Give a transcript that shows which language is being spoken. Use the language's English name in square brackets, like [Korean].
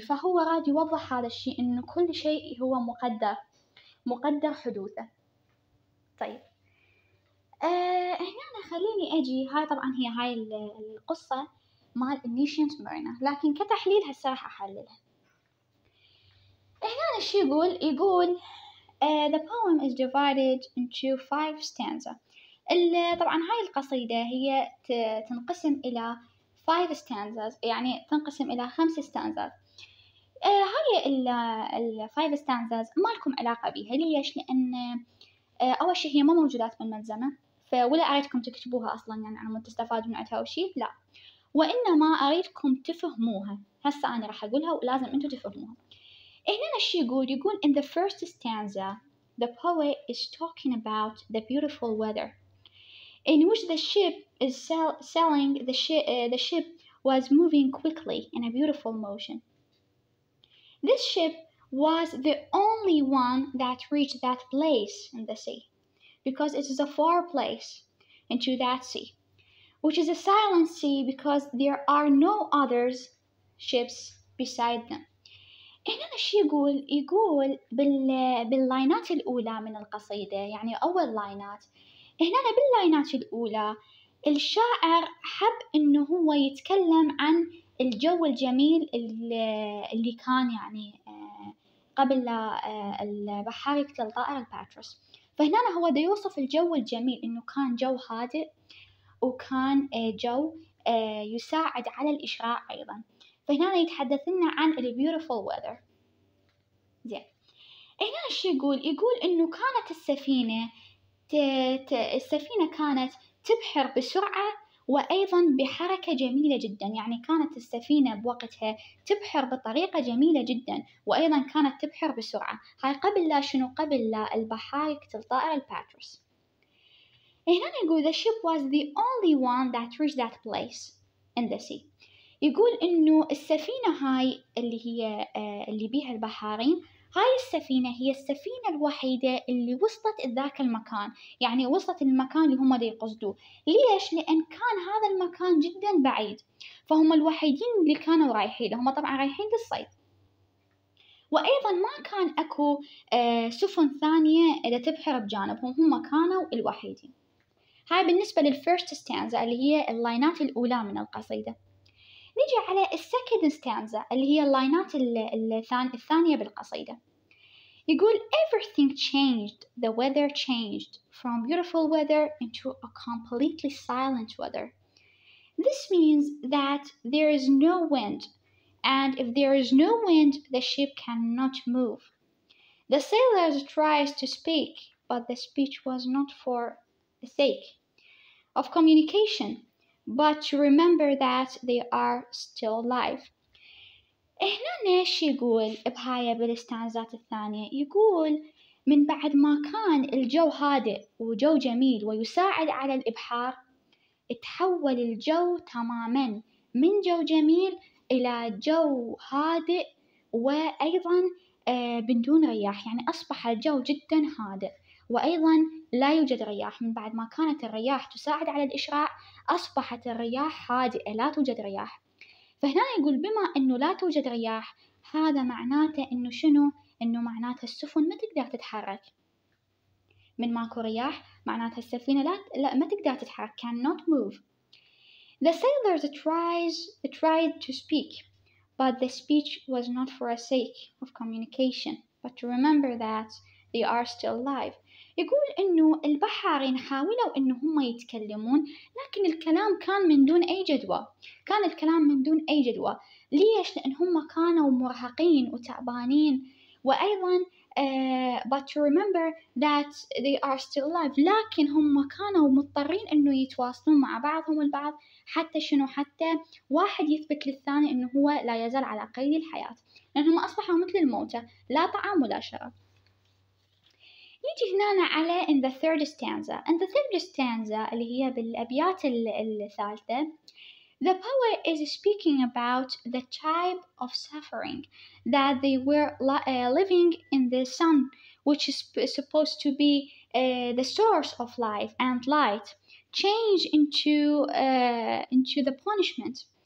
[Arabic] فهو راد يوضح هذا الشيء انه كل شيء هو مقدر، مقدر حدوثه. طيب هنا أنا خليني اجي، هاي طبعا هي هاي القصة مال النيشنت مرينر، لكن كتحليل هسه راح احللها. هنا الشيء يقول [English] the poem is divided into five stanza. [Arabic] طبعا هاي القصيدة هي تنقسم الى [English] five stanzas، [Arabic] يعني تنقسم الى خمس stanzas. هاي ال [English] five stanzas [Arabic] ما لكم علاقة بها، ليش؟ لان اول شيء هي ما موجودات بالمنظمة، فولا اريدكم تكتبوها اصلا، يعني انا متستفاد من عتها وشي لا، وانما اريدكم تفهموها. هسه انا راح اقولها ولازم انتم تفهموها. هنا الشيء يقول [English] in the first stanza the poet is talking about the beautiful weather in which the ship is sailing. The ship was moving quickly in a beautiful motion. This ship was the only one that reached that place in the sea, because it is a far place into that sea, which is a silent sea, because there are no other ships beside them. [Arabic] هنا الشيء يقول باللاينات الأولى من القصيدة، يعني أول لاينات، هنا باللاينات الأولى الشاعر حب إنه هو يتكلم عن الجو الجميل اللي كان يعني قبل البحار يقتل طائر الباتروس. فهنا هو دا يوصف الجو الجميل، إنه كان جو هادئ وكان جو يساعد على الإشراع أيضا. فهنا يتحدث لنا عن [English] the beautiful weather. [Arabic] زين هنا الشيء يقول انه كانت السفينه السفينه كانت تبحر بسرعه وايضا بحركه جميله جدا، يعني كانت السفينه بوقتها تبحر بطريقه جميله جدا وايضا كانت تبحر بسرعه. هاي قبل لا شنو؟ قبل لا البحار يقتل طائر الباتروس. هنا يقول [English] the ship was the only one that reached that place in the sea. [Arabic] يقول انه السفينة هاي اللي هي اللي بيها البحارين، هاي السفينة هي السفينة الوحيدة اللي وصلت ذاك المكان، يعني وصلت المكان اللي هم دي يقصدوه. ليش؟ لان كان هذا المكان جدا بعيد، فهم الوحيدين اللي كانوا رايحين، هم طبعا رايحين للصيد، وايضا ما كان اكو سفن ثانية اذا تبحر بجانبهم، هم كانوا الوحيدين. هاي بالنسبة للفيرست ستانزا اللي هي اللاينات الاولى من القصيدة. نجي على السكند ستانزا اللي هي اللاينات الثانية بالقصيدة. يقول [English] everything changed, the weather changed from beautiful weather into a completely silent weather. This means that there is no wind, and if there is no wind the ship cannot move. The sailors tries to speak, but the speech was not for the sake of communication, but to remember that they are still alive. [Arabic] هنا ناشي يقول بهاي بالستانزات الثانية، يقول من بعد ما كان الجو هادئ وجو جميل ويساعد على الإبحار، تحول الجو تماما من جو جميل إلى جو هادئ وأيضا بدون رياح، يعني أصبح الجو جدا هادئ وأيضا لا يوجد رياح. من بعد ما كانت الرياح تساعد على الإشراع أصبحت الرياح هادئة، لا توجد رياح. فهنا يقول بما أنه لا توجد رياح، هذا معناته أنه شنو؟ أنه معناته السفن ما تقدر تتحرك، من ماكو رياح معناته السفينة لا ما تقدر تتحرك، [English] cannot move. The sailors tried to speak, but the speech was not for a sake of communication, but to remember that they are still alive. [Arabic] يقول إنه البحارين حاولوا إنه هم يتكلمون، لكن الكلام كان من دون أي جدوى، كان الكلام من دون أي جدوى. ليش؟ لأن هم كانوا مرهقين وتعبانين. وأيضاً [English] but to remember that they are still alive، [Arabic] لكن هم كانوا مضطرين إنه يتواصلون مع بعضهم البعض حتى شنو، حتى واحد يثبت للثاني إنه هو لا يزال على قيد الحياة، لأنهم أصبحوا مثل الموتى، لا طعام ولا شراب. نيجي هنا على [English] in the third stanza. In the third stanza [Arabic] اللي هي بالأبيات الثالثة، [English] the poet is speaking about the type of suffering that they were living in the sun, which is supposed to be the source of life and light, change into the punishment.